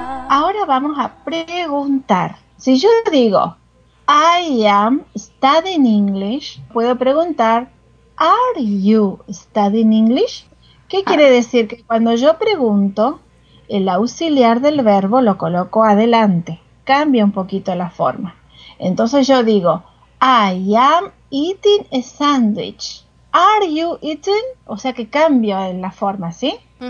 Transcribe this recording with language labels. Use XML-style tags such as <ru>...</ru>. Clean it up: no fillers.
<es>Ahora vamos a preguntar. Si yo digo,</es> <en>I am studying English,</en> <es>puedo preguntar,</es> <en>are you studying English?</en> <es>¿Qué quiere decir? Que cuando yo pregunto, el auxiliar del verbo lo coloco adelante. Cambia un poquito la forma. Entonces yo digo,</es> <en>I am eating a sandwich. Are you eating?</en> <es>O sea que cambio en la forma, ¿sí? Uh-huh.</es>